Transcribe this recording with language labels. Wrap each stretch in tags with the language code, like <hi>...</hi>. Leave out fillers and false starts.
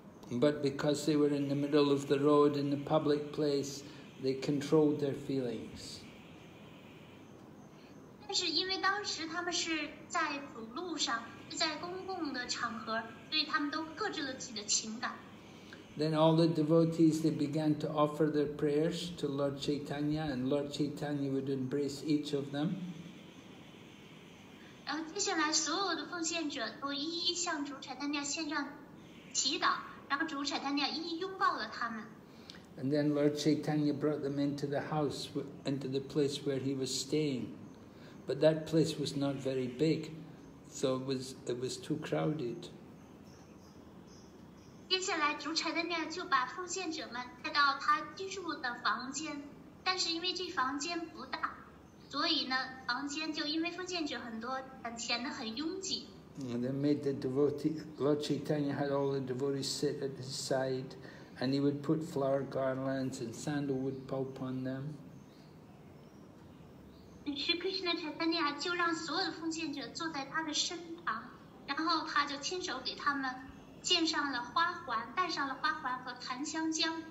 <en>But because they were in the middle of the road in the public place, they controlled their feelings.</en> <zh>但是因为当时他们是在主路上，在公共的场合，所以他们都克制了自己的情感。</zh> <en>Then all the devotees, they began to offer their prayers to Lord Chaitanya, and Lord Chaitanya would embrace each of them.</en> <zh>然后接下来所有的奉献者都一一向主 Chaitanya 献上祈祷，然后主 Chaitanya 一一拥抱了他们。</zh> <en>And then Lord Chaitanya brought them into the house, into the place where he was staying. But that place was not very big, so it was too crowded.</en> <zh>接下来主柴的面就把奉献者们带到他居住的房间，但是因为这房间不大，所以呢房间就因为奉献者很多显得很拥挤。</zh> <en>And they made the devotee, Lord Chaitanya had all the devotees sit at his side, and he would put flower garlands and sandalwood pulp on them.</en> <zh>Shri Krishna Chaitanya 就让所有的奉献者坐在他的身旁，然后他就亲手给他们献上了花环，戴上了花环和檀香浆。</zh>